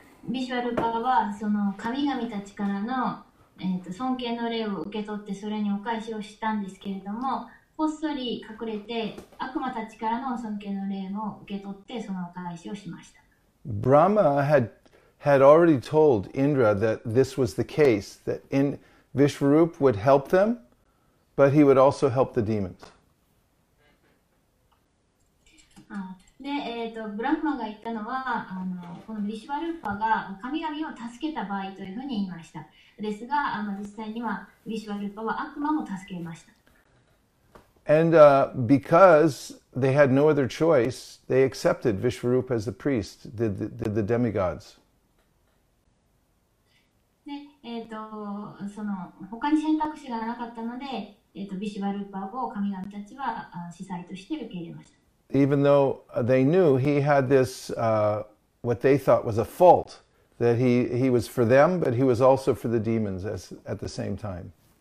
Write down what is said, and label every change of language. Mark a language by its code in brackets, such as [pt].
[ja] ビシュワルパはその神々たちからの、尊敬の礼を受け取ってそれにお返しをしたんですけれどもこっそり隠れて悪魔たちからの尊敬の礼を受け取ってそのお返しをしました。 [en] Brahma had already told Indra that this was the case, that Vishwarup would help them, but he would also help the demons. [ja] で、ブラフマが言ったのは、このビシュバルーパが神々を助けた場合というふうに言いました。ですが、実際にはビシュバルーパは悪魔も助けました。 [en] And because they had no other choice, they accepted Vishwarup as the priest, did the demigods. [ja] で、その他に選択肢がなかったので、ビシュバルーパを神々たちは司祭として受け入れました。 [en] Even though they knew he had this, what they thought was a fault, that he was for them, but he was also for the demons at the same time.